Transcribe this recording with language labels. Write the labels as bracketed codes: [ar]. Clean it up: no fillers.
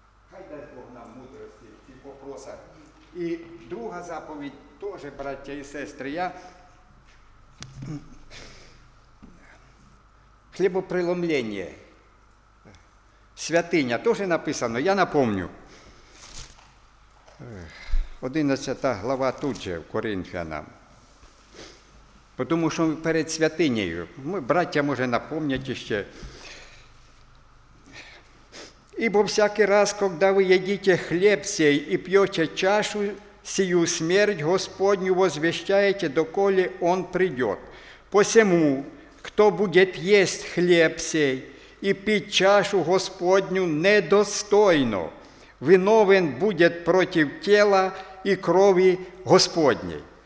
[uk] Хай дасть Бог нам мудрості в цих вопросах. І друга заповідь теж, браття і сестри, я хлібопреломлення, святиня, теж написано, я напомню. 11 глава тут же, в Коринфянам. Тому що ми перед святинею. Ми, браття, може, напомнять ще. «Ібо всякий раз, коли ви їдите хліб сей і п'єте чашу [ru] сию смерть Господню возвещаете, доколе Он придет. Посему, кто будет есть хлеб сей и пить чашу Господню недостойно, виновен будет против тела и крови Господней.